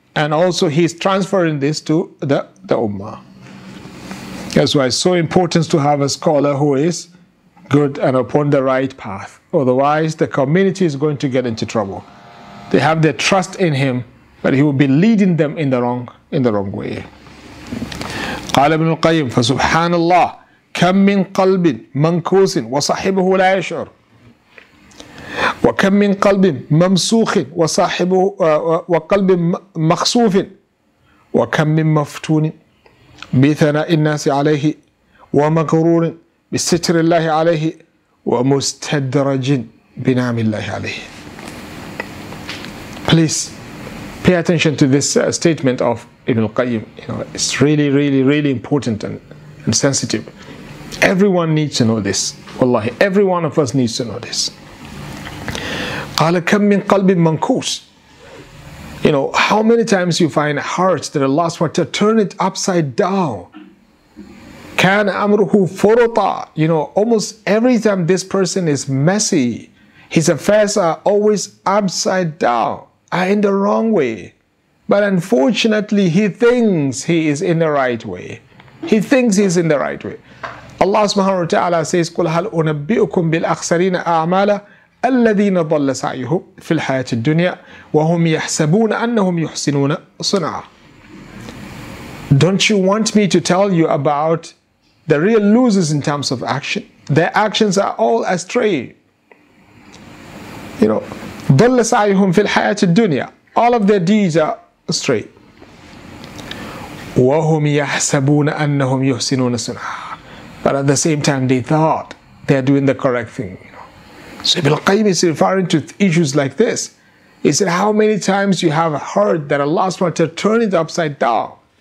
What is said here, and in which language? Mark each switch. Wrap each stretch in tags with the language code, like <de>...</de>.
<en>And also he's transferring this to the ummah. That's why it's so important to have a scholar who is good and upon the right path. Otherwise, the community is going to get into trouble. They have their trust in him, but he will be leading them in the wrong way.</en> <ar>قال ابن القيم فسبحان الله كم من قلب منكوس وصاحبه لا يشعر وكم من قلب ممسوخ وصاحبه وقلب مخسوف وكم من مفتون بثناء الناس عليه ومغرور بستر الله عليه ومستدرج بنعم الله عليه.</ar> <en>Please pay attention to this statement of Ibn Al Qayyim. You know, it's really, really, really important and sensitive. Everyone needs to know this. Wallahi, every one of us needs to know this.</en> <ar>قَالَ كَمْ مِنْ قَلْبٍ مَنْكُوسٍ.</ar> <en>You know, how many times you find hearts that are lost, to turn it upside down.</en> <ar>كَانَ أَمْرُهُ فُرُطًا.</ar> <en>You know, almost every time this person is messy, his affairs are always upside down, are in the wrong way. But unfortunately, he thinks he is in the right way. He thinks he is in the right way. Allah subhanahu wa ta'ala says,</en> <ar>قُلْ هَلْ أُنَبِّئُكُمْ بِالْأَخْسَرِينَ أَعْمَالًا الَّذِينَ ضَلَّ سَعْيُهُمْ فِي الْحَيَاةِ الدُّنْيَا وَهُمْ يَحْسَبُونَ أَنَّهُمْ يُحْسِنُونَ صُنْعًا.</ar> <en>Don't you want me to tell you about the real losers in terms of action? Their actions are all astray. You know,</en> <ar>ضَلَّ سَعْيُهُمْ فِي الْحَيَاةِ الدُّنْيَا.</ar> <en>All of their deeds are astray.</en> <ar>وَهُمْ يَحْسَبُونَ أَنَّهُمْ يُحْسِنُونَ صُنْعًا.</ar> <en>But at the same time, they thought they are doing the correct thing. So Ibn Al-Qayyim is referring to issues like this. He said, how many times you have heard that Allah SWT turn it upside down?</en>